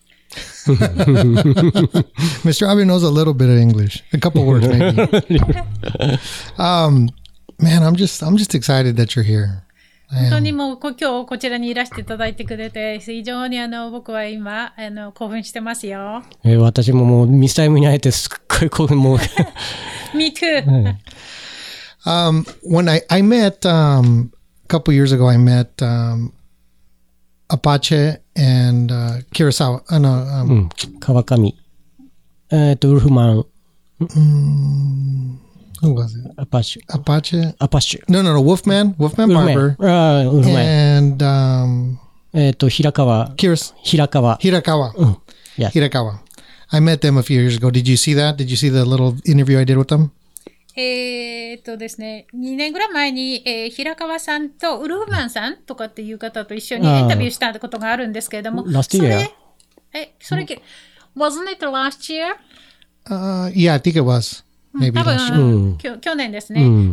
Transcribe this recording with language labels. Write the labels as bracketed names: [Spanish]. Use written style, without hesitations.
[English] Mr. Abe knows a little bit of English, a couple words maybe. Man, I'm just excited that you're here. [Japanese] 本当にもう今日こちらにいらしていただいてくれて非常に僕は今興奮してますよ。私ももうミスタイムに会えてすっごい興奮もう。 [English] Me too. When I met a couple years ago, I met Apache. And Kurosawa, Kawakami, Wolfman. Who was it? Apache. No. Wolfman Barber. Wolfman. And Hirakawa. Hirakawa. Hirakawa. Yeah. Hirakawa. I met them a few years ago. Did you see that? Did you see the little interview I did with them? [Japanese] ですね、2年ぐらい前に、平川さんとウルフマンさんとかっていう方と一緒にインタビューしたことがあるんですけれども、 [English] last year? それ、wasn't it last year? Yeah, I think it was. Maybe [Japanese] 多分、去年ですね。